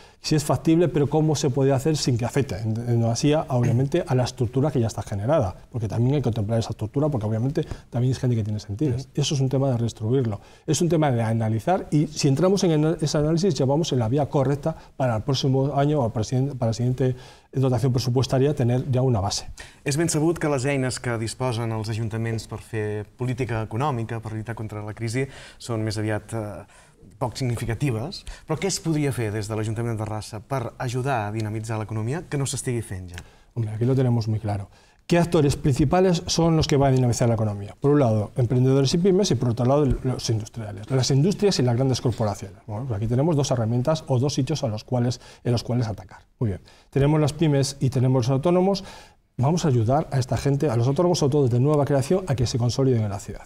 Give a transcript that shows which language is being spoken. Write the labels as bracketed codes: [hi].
[es] Si es factible, pero cómo se puede hacer sin que afecte en demasía, obviamente, a la estructura que ya está generada. Porque también hay que contemplar esa estructura, porque obviamente también es gente que tiene sentidos. Uh-huh. Eso es un tema de redistribuirlo. Es un tema de analizar, y si entramos en ese análisis, ya vamos en la vía correcta para el próximo año o para la siguiente dotación presupuestaria tener ya una base. [ca] És ben sabut que les eines que disposen els ajuntaments per fer política econòmica, per lluitar contra la crisi, són més aviat poc significatives, però què es podria fer des de l'Ajuntament de Terrassa per ajudar a dinamitzar l'economia que no s'estigui fent ja? [es] Hombre, aquí lo tenemos muy claro. ¿Qué actores principales son los que van a dinamizar la economía? Por un lado, emprendedores y pymes, y por otro lado, los industriales. Las industrias y las grandes corporaciones. Bueno, pues aquí tenemos dos herramientas o dos sitios en los cuales atacar. Muy bien. Tenemos las pymes y tenemos los autónomos. Vamos a ayudar a esta gente, a los autónomos, sobre todo de nueva creación, a que se consoliden en la ciudad.